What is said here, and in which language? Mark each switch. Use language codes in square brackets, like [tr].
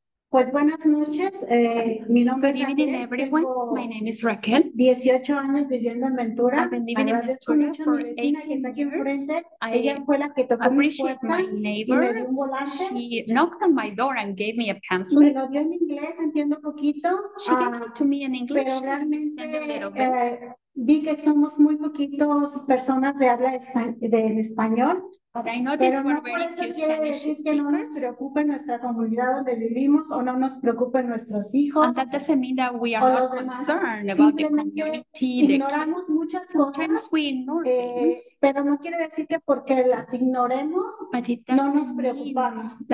[es] Pues buenas noches. Mi nombre [en] good evening, [es] es [en] everyone. My name is Raquel. [es] 18 años viviendo en Ventura. [en] I've been living in Ventura for 18 years. [es] Ella fue la que tocó mi puerta [en] my neighbor. [es] Y me dio un volante. [en] She knocked on my door and gave me a pamphlet. [es] Me lo dio en inglés, entiendo poquito. [en] She talked to me in English. [es] Pero realmente vi que somos muy poquitos personas de habla en español. Pero no por eso quiere decir que no nos preocupe nuestra comunidad donde vivimos o no nos preocupen nuestros hijos. [en] And that doesn't mean that we are not concerned about the community. [es] Ignoramos muchas cosas. [en] We ignore things. [es] Pero no quiere decir que porque las ignoremos no nos preocupamos.